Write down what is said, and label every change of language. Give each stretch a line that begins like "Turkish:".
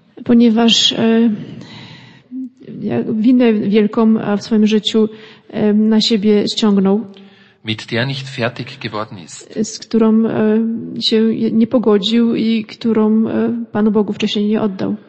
Polish: Ponieważ winę wielką w swoim życiu na siebie ściągnął.
German: Mit der nicht fertig geworden ist.
Polish: Z którą się nie pogodził i którą Panu Bogu wcześniej nie oddał.